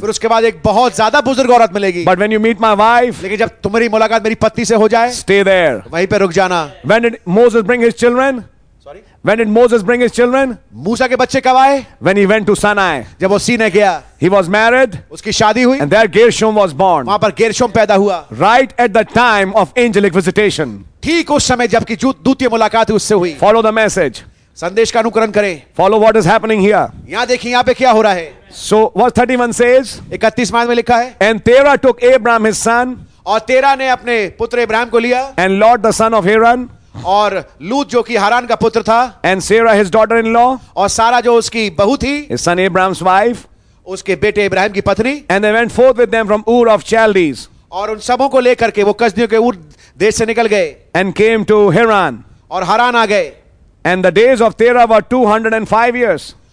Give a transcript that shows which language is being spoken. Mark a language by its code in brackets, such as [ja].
[hi] फिर उसके बाद एक बहुत ज़्यादा बुजुर्ग औरत मिलेगी. [en] But when you meet my wife. [hi] लेकिन जब तुम्हारी मुलाकात मेरी पत्नी से हो जाए. [en] Stay there. [hi] वहीं पे रुक जाना. [en] When did Moses bring his children? Sorry. When did Moses bring his children? [hi] मूसा के बच्चे कब आए? [en] When he went to Sinai. [hi] जब वो सीने गया. [en] He was married. [hi] उसकी शादी हुई. [en] And there Gershom was born. [hi] वहाँ पर Gershom पैदा हुआ. [en] Right at the time of angelic visitation. [hi] ठीक उस समय जबकि दूतीय मुलाकात उससे हुई. [en] Follow the message. [hi] संदेश का अनुकरण करें. [en] Follow what is happening here. [hi] यहाँ देखिए यहाँ पे क्या हो रहा है. [en] So verse 31 says. [hi] 31वां में लिखा है. [en] And Terah took Abram his son. [hi] और तेरा ने अपने पुत्र इब्राहिम को लिया. [en] And Lot the son of Haran. [hi] और लूत जो कि हारान का पुत्र था. [en] And Sarah his daughter in law. [hi] और सारा जो उसकी बहू थी. [en] His son Abram's wife. [hi] उसके बेटे इब्राहिम की पत्नी. [en] And they went forth with them from Ur of Chaldees. [hi] और उन सबों को लेकर के वो कसदियों के ऊर देश से निकल गए. [en] And came to Haran. [hi] और हारान आ गए. [en] And the days of Terah were 205 years.